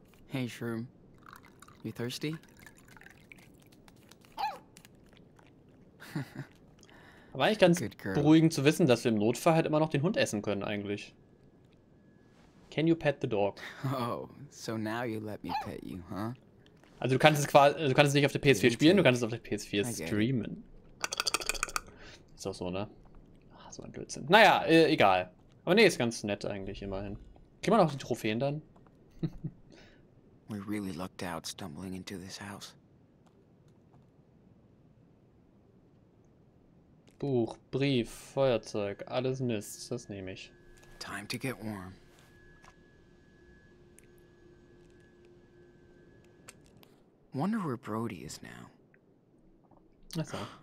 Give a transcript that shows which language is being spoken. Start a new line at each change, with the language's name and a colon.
English: Hey Shroom, you thirsty?
German: Aber eigentlich ganz beruhigend zu wissen, dass wir im Notfall halt immer noch den Hund essen können eigentlich.
English: Can you pet the dog? Oh, so now you let me pet you, huh?
German: Also du kannst es quasi, du kannst es nicht auf der PS4 spielen, du kannst es auf der PS4 streamen. Ist doch so, ne? Ach, so ein Blödsinn. Naja, egal. Aber nee, ist ganz nett eigentlich immerhin. Kriegen wir noch die Trophäen dann?
English: We really lucked out stumbling into this house.
German: Buch, Brief, Feuerzeug, alles Mist, das nehme ich.
English: Time to get warm. Wonder where Brody is now. That's all.